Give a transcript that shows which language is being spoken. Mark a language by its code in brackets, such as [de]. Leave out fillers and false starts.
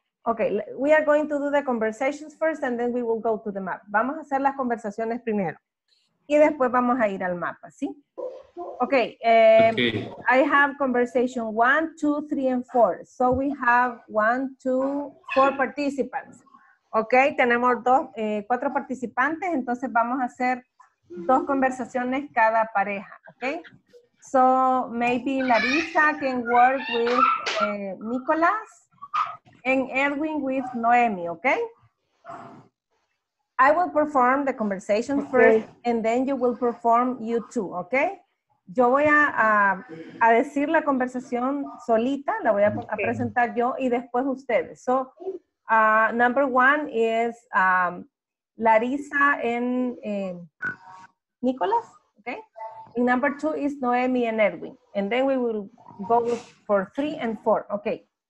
[en] Okay, we are going to do the conversations first and then we will go to the map. [es] Vamos a hacer las conversaciones primero. Y después vamos a ir al mapa, ¿sí? Okay, okay. [en] I have conversation 1, 2, 3, and 4. So we have 1, 2, 4 participants. [es] Okay, tenemos 4 participantes, entonces vamos a hacer 2 conversaciones cada pareja, okay? [en] So maybe Larissa can work with Nicolas and Edwin with Noemi, okay? I will perform the conversation first and then you will perform you two, okay? [es] Yo voy a decir la conversación solita, la voy a presentar yo y después ustedes. [en] So number one is Larissa and Nicolas, okay? And number two is Noemi and Edwin. And then we will go for 3 and 4, okay?